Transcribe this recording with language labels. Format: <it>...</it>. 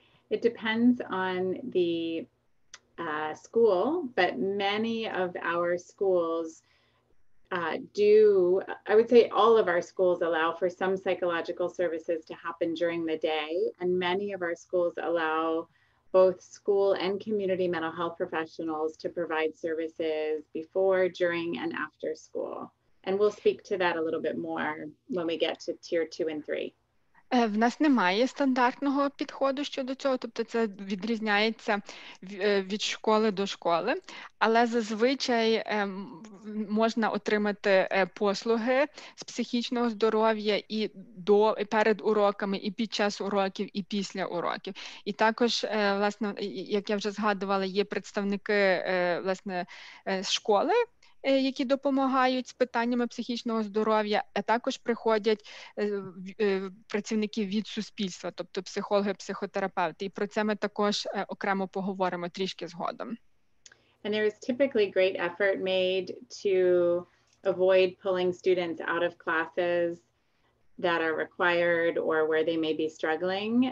<en>It depends on the school, but many of our schools I would say all of our schools allow for some psychological services to happen during the day. And many of our schools allow both school and community mental health professionals to provide services before, during, and after school. And we'll speak to that a little bit more when we get to tier 2 and 3.</en> <uk>В нас немає стандартного підходу щодо цього, тобто це відрізняється від школи до школи, але зазвичай можна отримати послуги з психічного здоров'я і перед уроками, і під час уроків, і після уроків. І також, власне, як я вже згадувала, є представники власне школи, які допомагають з питаннями психічного здоров'я, а також приходять працівники від суспільства, тобто психологи, психотерапевти. І про це ми також окремо поговоримо трішки згодом.</uk> <en>And there is typically great effort made to avoid pulling students out of classes that are required or where they may be struggling.</en>